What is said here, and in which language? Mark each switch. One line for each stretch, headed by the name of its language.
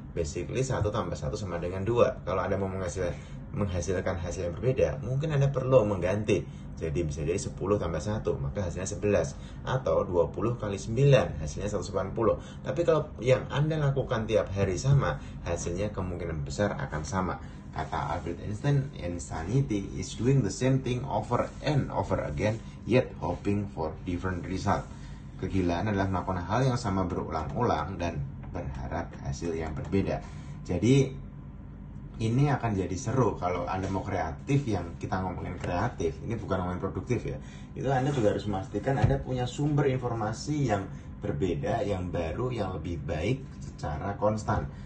Indonesian: Basically 1 tambah 1 sama dengan 2. Kalau Anda mau menghasilkan hasil yang berbeda, mungkin Anda perlu mengganti. Jadi bisa jadi 10 tambah 1, maka hasilnya 11. Atau 20 kali 9, hasilnya 180. Tapi kalau yang Anda lakukan tiap hari sama, hasilnya kemungkinan besar akan sama.
English: Kata Albert Einstein, insanity is doing the same thing over and over again, yet hoping for different result.
Indonesian: Kegilaan adalah melakukan hal yang sama berulang-ulang dan berharap hasil yang berbeda. Jadi ini akan jadi seru kalau Anda mau kreatif, yang kita ngomongin kreatif, ini bukan ngomongin produktif ya. Itu Anda juga harus memastikan Anda punya sumber informasi yang berbeda, yang baru, yang lebih baik secara konstan.